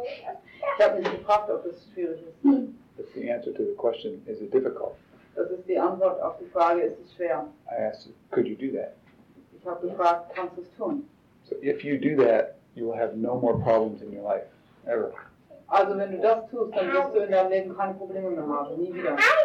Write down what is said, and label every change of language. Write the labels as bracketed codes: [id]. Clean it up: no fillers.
[de] Ich habe mich gefragt, ob es schwierig ist. [en] That's the answer to the question, is it difficult? [de] Das ist die Antwort auf die Frage, ist es schwer? [en] I asked you, could you do that? [de] Ich habe gefragt, kannst du es tun? [en] So if you do that, you will have no more problems in your life, ever. [de] Also wenn du das tust, dann wirst du in deinem Leben keine Probleme mehr haben, nie wieder.